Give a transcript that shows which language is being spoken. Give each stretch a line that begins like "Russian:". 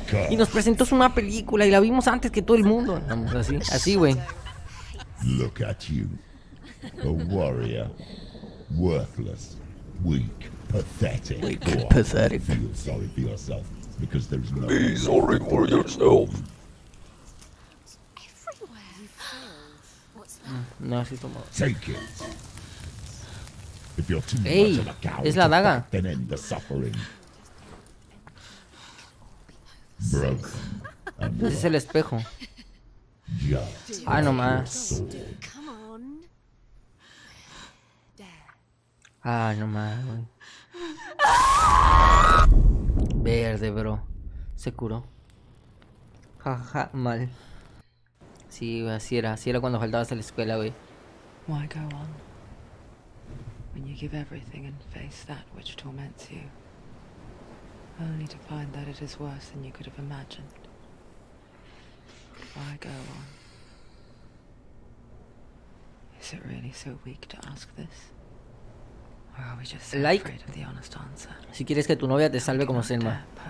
Spanish: Y nos presentó su nueva película y la vimos antes que todo el mundo. Vamos, así, güey.
English: Look at you, a warrior, worthless, weak, pathetic. Weak, go on, pathetic. Feel sorry for yourself, because there's no. Be sorry for yourself. Take it. If you're too
Spanish: Es la daga.
English: Then end the suffering. Broken.
Spanish: Ese es el espejo. Ah, no más. Ah, no más, güey. Verde, bro. Se curó. Jaja, mal. Sí, así era cuando faltabas a la escuela, güey.
English: Why go on? When you give everything and face that which torments you. Only to find that it is worse than you could have imagined. Why go on? Is it really so weak to ask this? Or are we just afraid of the honest answer?
Spanish: Si quieres que tu novia te salve como Selma.